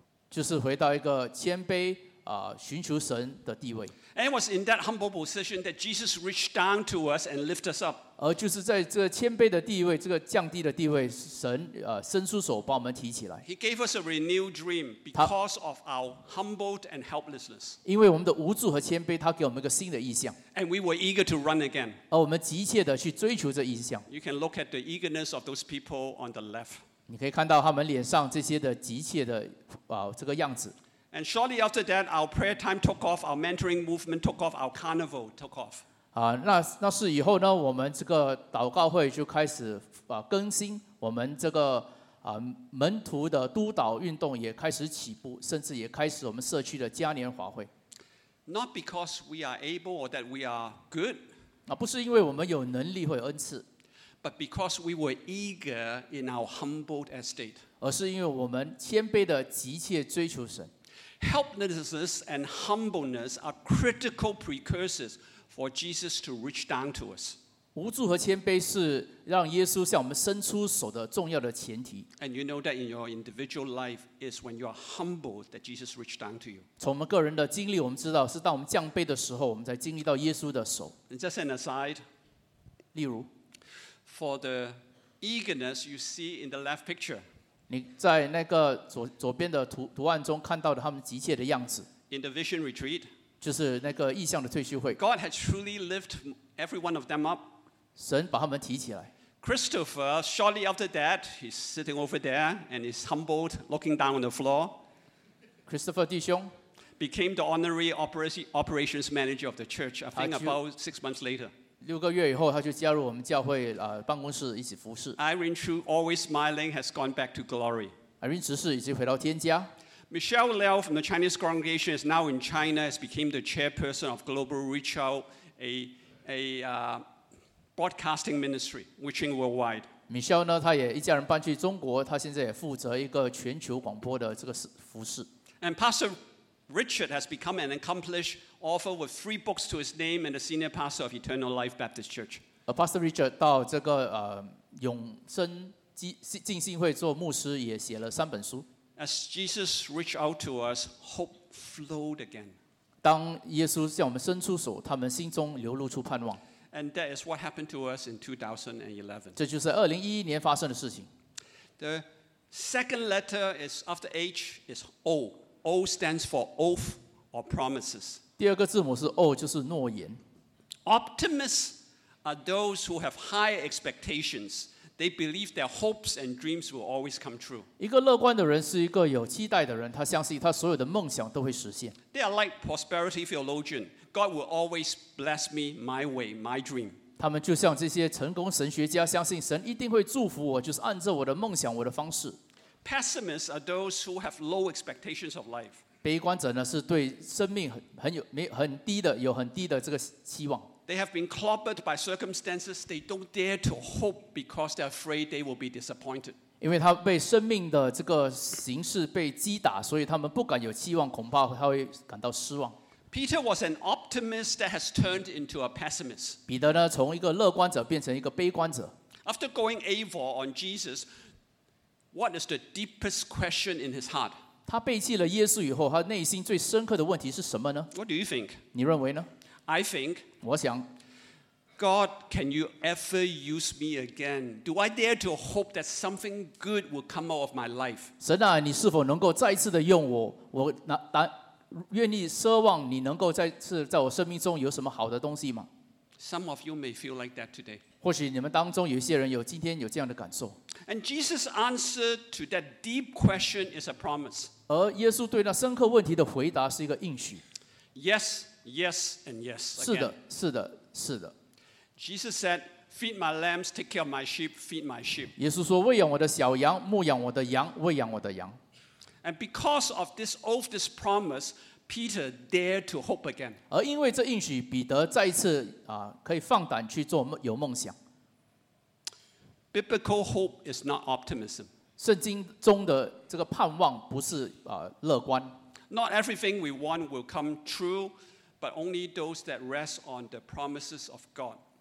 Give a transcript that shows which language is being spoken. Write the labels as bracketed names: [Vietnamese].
[Chinese] 就是回到一个谦卑寻求神的地位。 [English] And it was in that humble position that Jesus reached down to us and lifted us up. [Chinese] 而就是在这谦卑的地位，这个降低的地位，神伸出手把我们提起来。 [English] He gave us a renewed dream because of our humbled and helplessness. [Chinese] 因为我们的无助和谦卑，他给我们一个新的意向。 [English] And we were eager to run again. [Chinese] 而我们急切的去追求这意向。 [English] You can look at the eagerness of those people on the left. [Chinese] 你可以看到他们脸上这些的急切的这个样子。 [English] And shortly after that, our prayer time took off, our mentoring movement took off, our carnival took off. [Chinese] 那是以后呢，我们这个祷告会就开始更新，我们这个门徒的督导运动也开始起步，甚至也开始我们社区的嘉年华会。 [English] Not because we are able or that we are good. [Chinese] 不是因为我们有能力或有恩赐。 [English] But because we were eager in our humbled estate. [Chinese] 而是因为我们谦卑的急切追求神。 [English] Helplessness and humbleness are critical precursors for Jesus to reach down to us. [Chinese] 无助和谦卑是让耶稣向我们伸出手的重要的前提。 [English] And you know that in your individual life is when you are humbled that Jesus reached down to you. [Chinese] 从我们个人的经历，我们知道是当我们降卑的时候，我们才经历到耶稣的手。 [English] Just an aside. [Chinese] 例如 [English] ，for the eagerness you see in the left picture. [Chinese] 你在那个左边的图案中看到的他们急切的样子。 [English] In the vision retreat. [Chinese] 就是那个意象的退休会。 [English] God has truly lifted every one of them up. [Chinese] 神把他们提起来。 [English] Christopher, shortly after that, he's sitting over there and he's humbled, looking down on the floor. [Chinese] Christopher 弟兄 [English] became the honorary operations manager of the church, I think about 6 months later. [Chinese] 六个月以后，他就加入我们教会办公室一起服侍。 [English] Irene Chu, always smiling, has gone back to glory. [Chinese] Irene 执事已经回到天家。 [English] Michelle Liao from the Chinese congregation is now in China, has become the chairperson of Global Reach Out, a broadcasting ministry, reaching worldwide. [Chinese] Michelle 呢，她也一家人搬去中国，她现在也负责一个全球广播的这个服事。 [English] And Pastor Richard has become an accomplished author with 3 books to his name and a senior pastor of Eternal Life Baptist Church. [Chinese] Pastor Richard 到这个永生浸信会做牧师，也写了三本书。 [English] As Jesus reached out to us, hope flowed again. [Chinese] 当耶稣向我们伸出手，他们心中流露出盼望。 [English] And that is what happened to us in 2011. [Chinese] 这就是2011年发生的事情。 [English] The second letter is after H is O. O stands for oath or promises. [Chinese] 第二个字母是 O， 就是诺言。 [English] Optimists are those who have high expectations. They believe their hopes and dreams will always come true. [Chinese] 一个乐观的人是一个有期待的人，他相信他所有的梦想都会实现。 [English] They are like prosperity theologians. God will always bless me my way, my dream. [Chinese] 他们就像这些成功神学家，相信神一定会祝福我，就是按照我的梦想，我的方式。 [English] Pessimists are those who have low expectations of life. [Chinese] 悲观者呢，是对生命很低的这个期望。 [English] They have been clobbered by circumstances. They don't dare to hope because they're afraid they will be disappointed. [Chinese] 因为他被生命的这个形势被击打，所以他们不敢有期望，恐怕他会感到失望。 [English] Peter was an optimist that has turned into a pessimist. [Chinese] 彼得呢，从一个乐观者变成一个悲观者。 [English] After going AWOL on Jesus, what is the deepest question in his heart? [Chinese] 他背弃了耶稣以后，他内心最深刻的问题是什么呢？ [English] What do you think? [Chinese] 你认为呢？ [English] I think. [Chinese] 我想。 [English] God, can you ever use me again? Do I dare to hope that something good will come out of my life? [Chinese] 神啊，你是否能够再次的用我？我拿单。愿意奢望你能够再次在我生命中有什么好的东西吗？ [English] Some of you may feel like that today. [Chinese] 或许你们当中有一些人有今天有这样的感受。 [English] And Jesus' answer to that deep question is a promise. [Chinese] 而耶稣对那深刻问题的回答是一个应许。 [English] Yes, yes, and yes. [Chinese] 是的，是的，是的。 [English] Jesus said, "Feed my lambs, take care of my sheep, feed my sheep." [Chinese] 耶稣说，喂养我的小羊，牧养我的羊，喂养我的羊。 [English] And because of this oath, this promise, Peter dared to hope again. [Chinese] 而因为这应许，彼得再一次可以放胆去做有梦想。 [English] Biblical hope is not optimism. [Chinese] 圣经中的这个盼望不是乐观。 [English] Not everything we want will come true, but only those that rest on the promises of God.